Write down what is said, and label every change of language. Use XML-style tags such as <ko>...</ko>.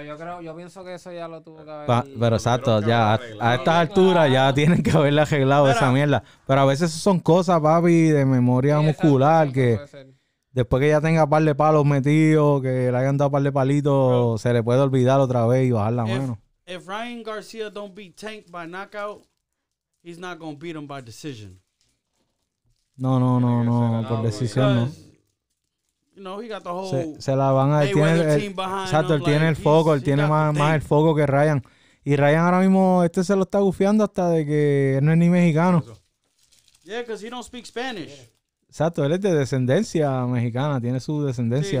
<es>Sí, pero yo pienso que eso ya lo tuvo que haber. Pero exacto, ya a esta altura ya tienen que haberle arreglado esa mierda. Pero a veces son cosas, papi, de memoria muscular, que después que ya tenga un par de palos metidos, que le hayan dado un par de palitos, se le puede olvidar otra vez y bajar la mano.</es> <en>If Ryan Garcia don't beat Tank by knockout, he's not going to beat him by decision.</en> <es>No, por decisión no.</es> <en>You know, he got the whole</en> <es>él tiene el foco, él tiene más el foco que Ryan. Y Ryan ahora mismo, se lo está gufiando hasta de que él no es ni mexicano.</es> <en>Yeah, because he don't speak Spanish.</en> <es>Exacto, él es de descendencia mexicana, tiene su descendencia,</es>